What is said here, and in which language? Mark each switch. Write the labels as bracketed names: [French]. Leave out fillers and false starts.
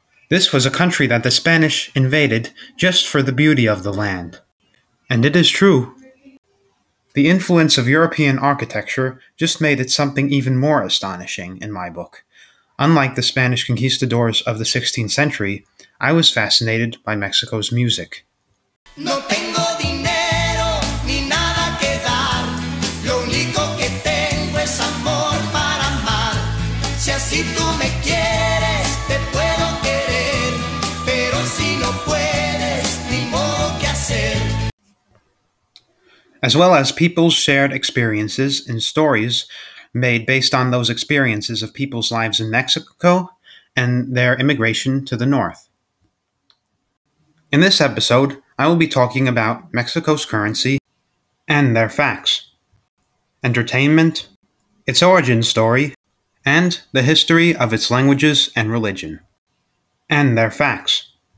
[English] This was a country that the Spanish invaded just for the beauty of the land. And it is true. The influence of European architecture just made it something even more astonishing in my book. Unlike the Spanish conquistadors of the 16th century, I was fascinated by Mexico's music. [Spanish] No tengo dinero ni nada que dar. Lo único que tengo es amor para amar. Si así tú me quieres, te puedo querer. Pero si no puedes, ni modo que hacer. [English] As well as people's shared experiences and stories made based on those experiences of people's lives in Mexico and their immigration to the north. In this episode, I will be talking about Mexico's currency and their facts, entertainment, its origin story, and the history of its languages and religion, and their facts.